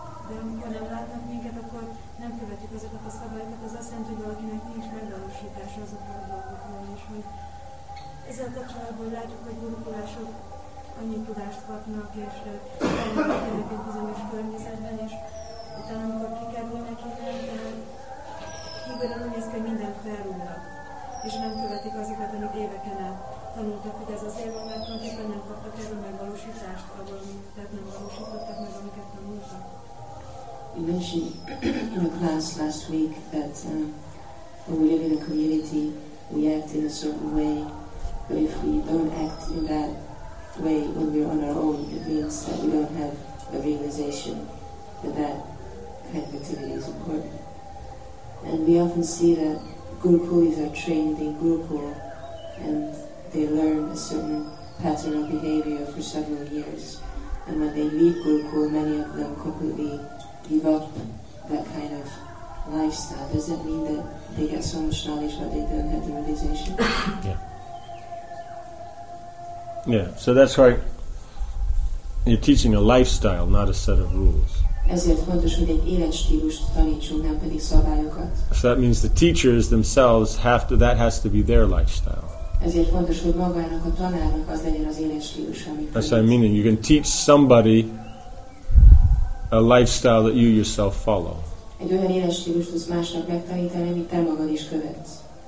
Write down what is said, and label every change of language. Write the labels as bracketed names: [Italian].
[Hungarian] De amikor nem látnak minket, akkor nem követjük azokat a szabályokat, az azt jelenti, hogy valakinek nincs megvalósítása azokra a dolgokra, és hogy ezzel kapcsolatban látjuk, hogy gurukulások annyi tudást kapnak, és felnőttek egy bizonyos környezetben, és utána, amikor kikerülnek életben, hívőben úgy néz ki, hogy mindent felrúgnak, és nem követik azokat, amik éveken át tanultak, hogy ez azért van, mert tulajdonképpen nem kaptak erről megvalósítást, tehát nem valósítottak meg, amiket tanultak. [English] You mentioned in a class last week that when we live in a community, we act in a certain way. But if we don't act in that way when we're on our own, it means that we don't have a realization that that kind of activity is important. And we often see that gurukulis are trained in gurukul, and they learn a certain pattern of behavior for several years. And when they leave gurukul, many of them completely give up that kind of lifestyle. Does that mean that they get so much knowledge but they don't have the realization? Yeah, so that's why you're teaching a lifestyle, not a set of rules. [Hungarian] Ezért fontos, hogy egy életstílust tanítsunk, nem pedig szabályokat. [English] So that means the teachers themselves have to, that has to be their lifestyle. [Hungarian] Ezért fontos, hogy magának a tanárnak az legyen az életstílusa, amit tanít. [English] That's what I mean. You can teach somebody a lifestyle that you yourself follow. [Hungarian] Egy olyan életstílust tudsz másnak megtanítani, amit te magad is követsz.